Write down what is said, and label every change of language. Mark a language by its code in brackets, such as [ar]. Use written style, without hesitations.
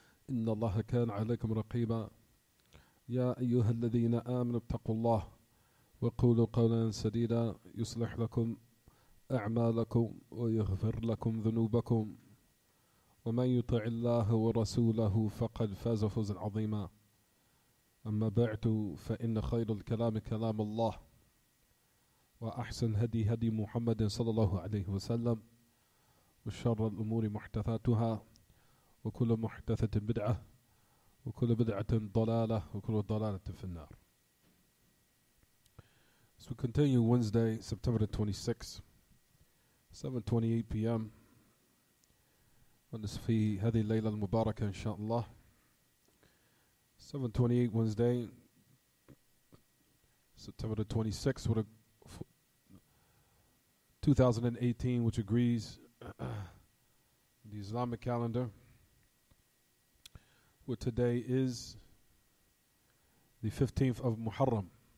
[ar] إن الله كان عليكم رقيبا يا أيها الذين آمنوا اتقوا الله وقولوا قولا سديدا يصلح لكم أعمالكم ويغفر لكم ذنوبكم ومن يطع الله ورسوله فقد فاز فوزا عظيما أما بعد فإن خير الكلام كلام الله وأحسن هدي هدي محمد صلى الله عليه وسلم وشر الأمور محدثاتها وكل محدثة بدعة وكل بدعة ضلالة وكل ضلالة في النار. [en] So continue Wednesday, September the 26th, 7:28 p.m. [ar] ونصف في هذه الليلة المباركة إن شاء الله. [en] 7:28 Wednesday, September the 26th, 2018, which agrees the Islamic calendar. Where today is the 15th of Muharram.